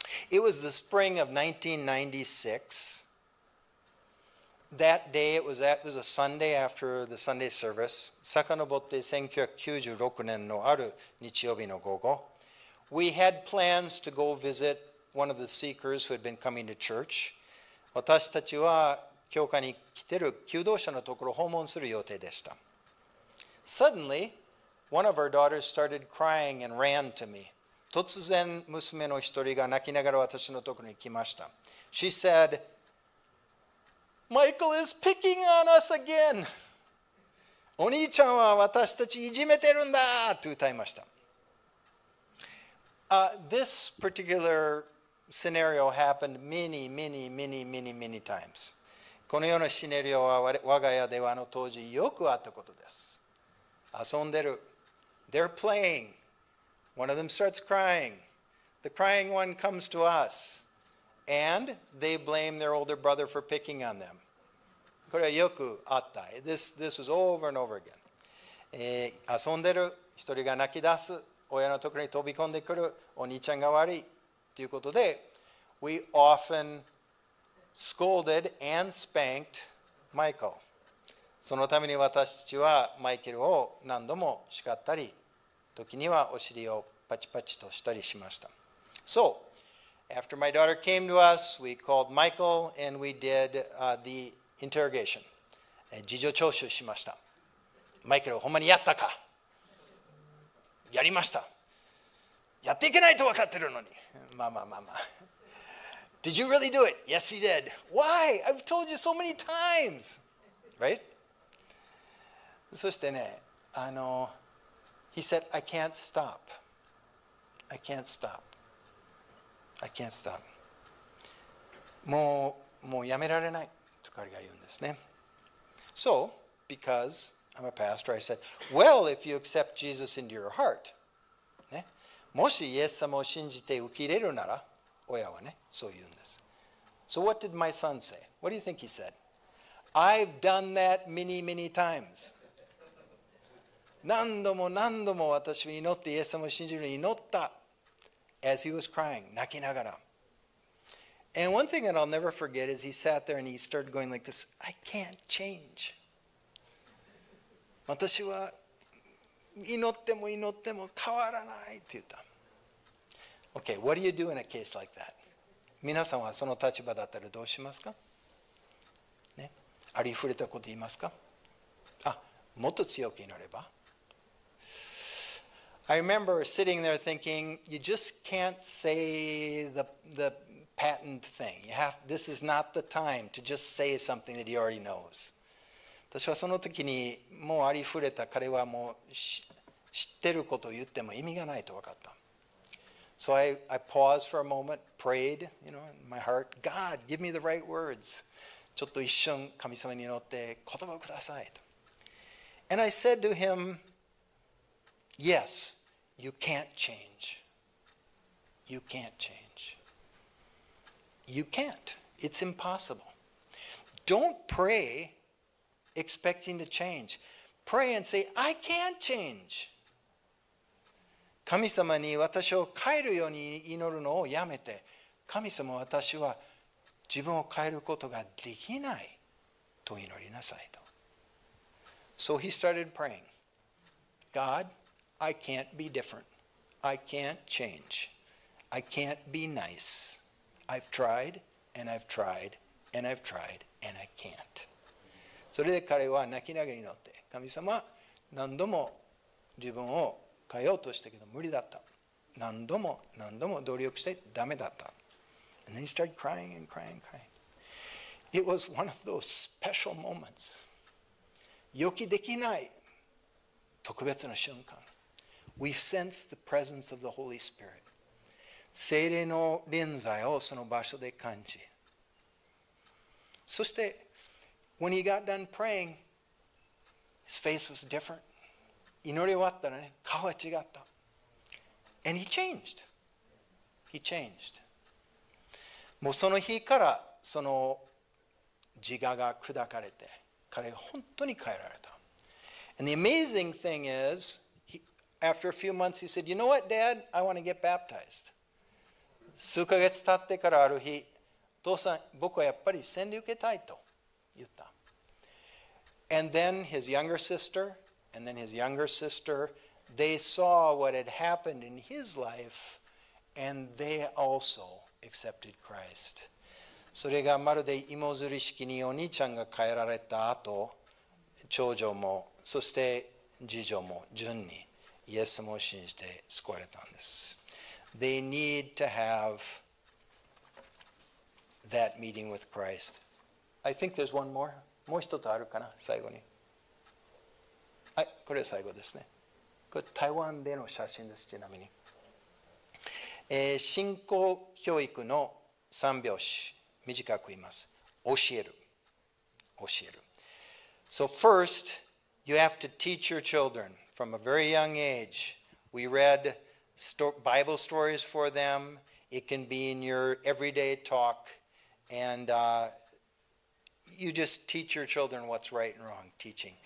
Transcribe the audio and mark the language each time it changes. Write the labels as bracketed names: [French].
[English] It was the spring of 1996. That day, it was a Sunday after the Sunday service. [Japanese] 遡って1996年のある日曜日の午後。 [English] We had plans to go visit one of the seekers who had been coming to church. [Japanese] 私たちは教会に来てる求道者のところを訪問する予定でした。 [English] Suddenly, one of our daughters started crying and ran to me. [Japanese] 突然、娘の一人が泣きながら私のところに来ました。 [English] She said,Michael is picking on us again. [Japanese] お兄ちゃんは私たちいじめてるんだと歌いました。 [English] This particular scenario happened many, many, many, many, many times. [Japanese] このようなシナリオは我が家ではあの当時よくあったことです。遊んでる。 [English] They're playing. One of them starts crying. The crying one comes to us. And they blame their older brother for picking on them. [Japanese] これはよくあった。 [English] This was over and over again. [Japanese] 遊んでる、一人が泣き出す、親のところに飛び込んでくる、お兄ちゃんが悪いということで、 [English] We often scolded and spanked Michael. [Japanese] そのために私たちはマイケルを何度も叱ったり、時にはお尻をパチパチとしたりしました。 [English] So,After my daughter came to us, we called Michael and we did the interrogation. [Japanese] 事情聴取しました。マイケル、ほんまにやったか?やりました。やっていけないと分かってるのに。まあまあまあまあ。 [English] Did you really do it? Yes, he did. Why? I've told you so many times. Right? [Japanese] そしてね、 [English] he said, I can't stop. I can't stop. I can't stop. [Japanese] もうやめられないと彼が言うんですね。 [English] So, because I'm a pastor, I said, well, if you accept Jesus into your heart,、 [Japanese] ね、もしイエス様を信じて受け入れるなら、親はね、そう言うんです。 [English] So what did my son say? What do you think he said? I've done that many, many times. [Japanese] 何度も何度も私は祈ってイエス様を信じるに祈った。 [English] As he was crying, [Japanese] 泣きながら。 [English] And one thing that I'll never forget is he sat there and he started going like this, I can't change. [Japanese] 私は祈っても祈っても変わらないって言った。 [English] Okay, what do you do in a case like that? [Japanese] 皆さんはその立場だったらどうしますか、ね、ありふれたこと言いますか、あ、もっと強く祈れば。 [English] I remember sitting there thinking, you just can't say the patent thing. This is not the time to just say something that he already knows. [Japanese] 私はその時にもうありふれた彼はもう知ってることを言っても意味がないと分かった。 [English] So I paused for a moment, prayed, you know, in my heart, God, give me the right words. [Japanese] ちょっと一瞬神様に祈って言葉をくださいと。 [English] And I said to him, yes, you can't change. You can't change. You can't. It's impossible. Don't pray expecting to change. Pray and say, I can't change. [Japanese] 神様に私を変えるように祈るのをやめて、神様私は自分を変えることができないと祈りなさいと。 [English] So he started praying. God, I can't be different. I can't change. I can't be nice. I've tried and I've tried and I've tried and I can't. [Japanese] それで彼は泣きながら祈って、神様何度も自分を変えようとしたけど無理だった。何度も何度も努力してダメだった。 [English] And then he started crying and crying and crying. It was one of those special moments. [Japanese] 予期できない特別な瞬間。 [English] We sensed the presence of the Holy Spirit. [Japanese] 聖霊の臨在をその場所で感じ。そして、 [English] when he got done praying, his face was different. [Japanese] 祈り終わったらね、顔は違った。 [English] And he changed. He changed. [Japanese] もうその日からその自我が砕かれて、彼が本当に変えられた。 [English] And the amazing thing is, after a few months he said, you know what, Dad, I want to get baptized. [Japanese] 数ヶ月経ってからある日、父さん、僕はやっぱり洗礼受けたいと言った。 [English] And then his younger sister,And then his younger sister, they saw what had happened in his life, and they also accepted Christ. [Japanese] それがまるで芋づる式にお兄ちゃんが変えられた後、長女も、そして次女も順にイエスも信じて救われたんです。 [English] They need to have that meeting with Christ. I think there's one more. [Japanese] もう一つあるかな、最後に。はい、これ最後ですね。これ台湾での写真です、ちなみに。信仰教育の三拍子、短く言います。教える。教える。 [English] So first, you have to teach your children from a very young age. We read Bible stories for them. It can be in your everyday talk. And you just teach your children what's right and wrong, teaching.